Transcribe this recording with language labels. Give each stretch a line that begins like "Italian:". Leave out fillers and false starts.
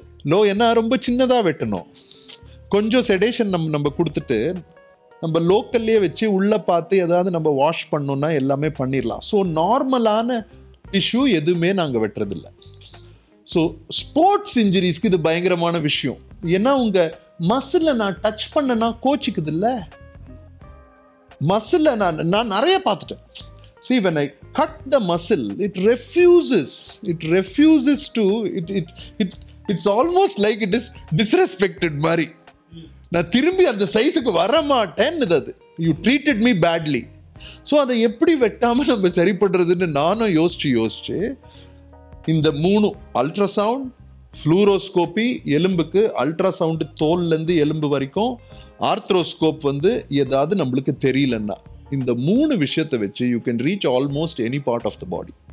Tamil: Low என்ன, ரொம்ப சின்னதாக வெட்டணும், கொஞ்சம் செடேஷன் நம்ம கொடுத்துட்டு நம்ம லோக்கல்லையே வச்சு உள்ளே பார்த்து ஏதாவது நம்ம வாஷ் பண்ணோன்னா எல்லாமே பண்ணிடலாம். ஸோ நார்மலான டிஷ்யூ எதுவுமே நாங்கள் வெட்டுறதில்லை. ஸோ ஸ்போர்ட்ஸ் இன்ஜுரிஸ்க்கு இது பயங்கரமான விஷயம், ஏன்னா உங்கள் மசிலை நான் டச் பண்ணனா கோச்சிக்குது இல்லை, மசிலை நான் நிறைய பார்த்துட்டேன்.
English: See, when I cut the muscle, it's almost like it is disrespected மாதிரி.
Tamil: நான் திரும்பி அந்த சைஸுக்கு வரமாட்டேன்னு, அது
English: You treated me badly.
Tamil: So அதை எப்படி வெட்டாமல் நம்ம சரி பண்ணுறதுன்னு நானும் யோசிச்சு இந்த மூணு, அல்ட்ராசவுண்ட், ஃப்ளூரோஸ்கோப்பி எலும்புக்கு, அல்ட்ராசவுண்டு தோல்லேருந்து எலும்பு வரைக்கும், ஆர்த்ரோஸ்கோப் வந்து ஏதாவது நம்மளுக்கு தெரியலன்னா, இந்த மூணு விஷயத்தை வச்சு
English: You can reach almost any part of the body.